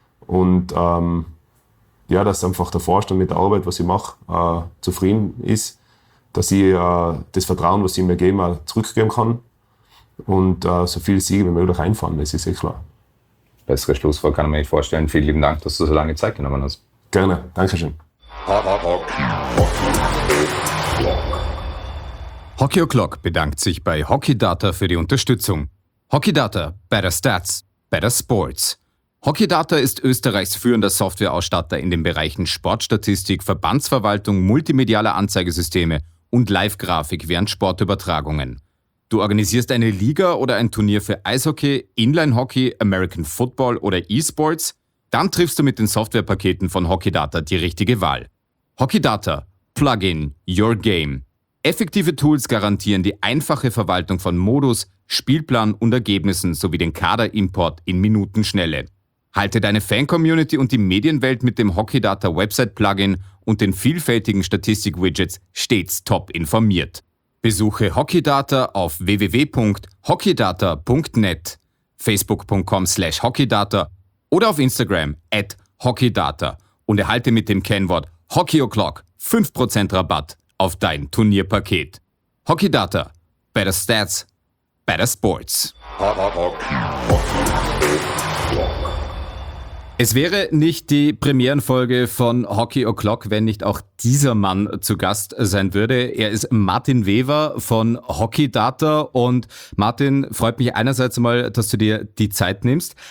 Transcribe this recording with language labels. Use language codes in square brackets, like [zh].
[de] Und ja, dass einfach der Vorstand mit der Arbeit, was ich mache, zufrieden ist, dass ich das Vertrauen, was sie mir geben, auch zurückgeben kann und so viele Siege wie möglich einfahren, das ist eh klar. Bessere Schlusswort kann ich mir nicht vorstellen. Vielen lieben Dank, dass du so lange Zeit genommen hast. Gerne, Dankeschön. Hockey O'Clock bedankt sich bei Hockey Data für die Unterstützung. [en] Hockey Data, better stats, better sports. [de] Hockey Data ist Österreichs führender Softwareausstatter in den Bereichen Sportstatistik, Verbandsverwaltung, multimediale Anzeigesysteme und Live-Grafik während Sportübertragungen. Du organisierst eine Liga oder ein Turnier für Eishockey, Inline-Hockey, American Football oder E-Sports? Dann triffst du mit den Softwarepaketen von Hockey Data die richtige Wahl. Hockey Data. [en] Plug in your game. [de] Effektive Tools garantieren die einfache Verwaltung von Modus, Spielplan und Ergebnissen sowie den Kaderimport in Minutenschnelle. Halte deine Fan-Community und die Medienwelt mit dem Hockeydata-Website-Plugin und den vielfältigen Statistik-Widgets stets top informiert. Besuche Hockeydata auf www.hockeydata.net, facebook.com/hockeydata oder auf Instagram @hockeydata und erhalte mit dem Kennwort HockeyO'Clock 5% Rabatt auf dein Turnierpaket. [en] Hockeydata, better stats, better sports. [de] Es wäre nicht die Premierenfolge von Hockey O'Clock, wenn nicht auch dieser Mann zu Gast sein würde. Er ist Martin Wever von Hockey Data. Und Martin, freut mich einerseits einmal, dass du dir die Zeit nimmst.